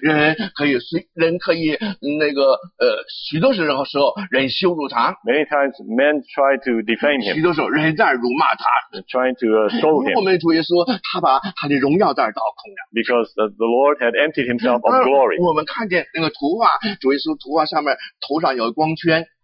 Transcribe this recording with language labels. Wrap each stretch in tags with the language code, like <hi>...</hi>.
<zh>人可以那个许多时候说人羞辱他。</zh> <en>Many times men try to defame him.</en> <zh>许多时候人在辱骂他。</zh> <en>Trying to show him.</en> <zh>我们主耶稣他把他的荣耀在那儿倒空。</zh> <en>Because the Lord had emptied himself of glory.</en> <zh>我们看见那个图画，主耶稣图画上面头上有光圈。</zh>